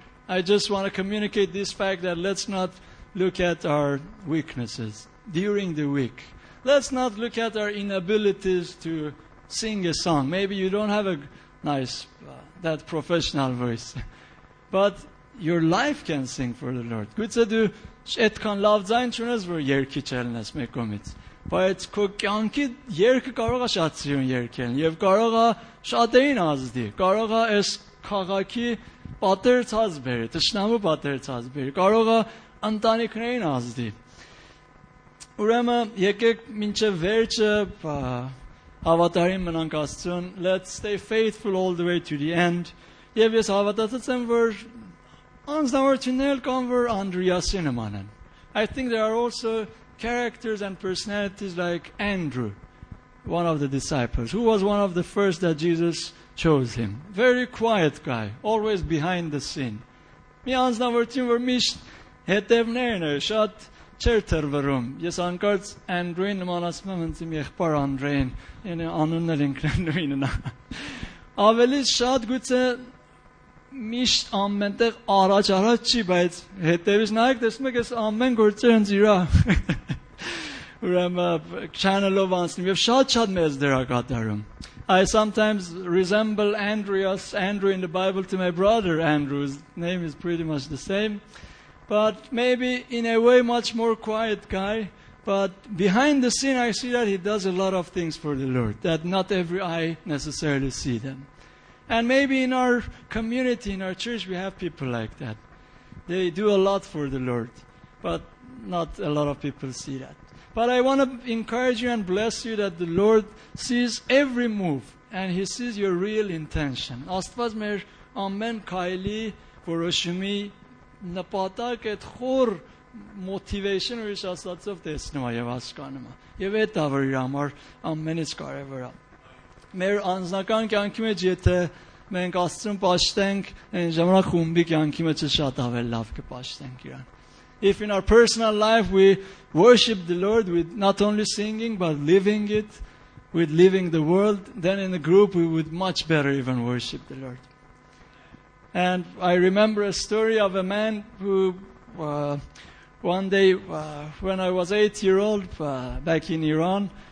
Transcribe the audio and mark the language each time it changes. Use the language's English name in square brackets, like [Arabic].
[English] I just want to communicate this fact that let's not look at our weaknesses during the week. Let's not look at our inabilities to sing a song. Maybe you don't have a nice, that professional voice. But your life can sing for the Lord. [Armenian] Գուցե դու այդքան լավ ձայն չունես, որ երգի չելնես մեկ կողմից. Բայց քո կյանքի երգը կարող է շատ ծիրուն երգել եւ կարող է շատերին ազդի. Կարող է այս քաղաքի պատերցած բերի, տշնամու պատերցած բերի. Կարող է ընտանիքներին ազդի։ Ուրեմն եկեք մինչև վերջը հավատարիմ մնանք Աստծուն. [English] Let's stay faithful all the way to the end. [Armenian] Եվ ես հավատացած եմ, որ անձնավորություններ կան, որ Անդրիասի նման են. [English] I think there are also characters and personalities like Andrew, one of the disciples, who was one of the first that Jesus chose him. Very quiet guy, always behind the scene. [Armenian] Մի անձնավորություն, որ միշտ հետևներն է, շատ չեր թրվրում։ Ես անկարծ Անդրեին նմանացնում եմ ինձ իմ եղբայր Անդրեին, այն անուններ ինքնին նույնն է։ Ավելի շատ գուցե միշտ ամենտեղ առաջ չի, բայց հետևից նայեք, տեսնում եք, ես ամեն գործը ինձ իրա ուրեմն channel-ով անցնում եմ, շատ մեծ դրա կատարում։ [English] I sometimes resemble Andrew in the Bible to my brother Andrew, his name is pretty much the same. But maybe in a way much more quiet guy. But behind the scene I see that he does a lot of things for the Lord that not every eye necessarily see them. And maybe in our community, in our church, we have people like that. They do a lot for the Lord, but not a lot of people see that. But I want to encourage you and bless you that the Lord sees every move and he sees your real intention. [Armenian] Աստված մեր ամեն քայլի որոշումի նպատակ այդ խոր մոտիվեյշն ուրիշ ասածով տեսնում է եւ հասկանում է եւ այդ է որ իր համար ամենից կարեւորը մեր անձնական կյանքի մեջ եթե մենք աստծուն պաշտենք այն ժամանակ խումբի կյանքի մեջ շատ ավելի լավ կպաշտենք իրան. [English] If in our personal life we worship the Lord with not only singing but living it, with living the world, then in the group we would much better even worship the Lord. And I remember a story of a man who one day, when I was 8 years old, back in Iran,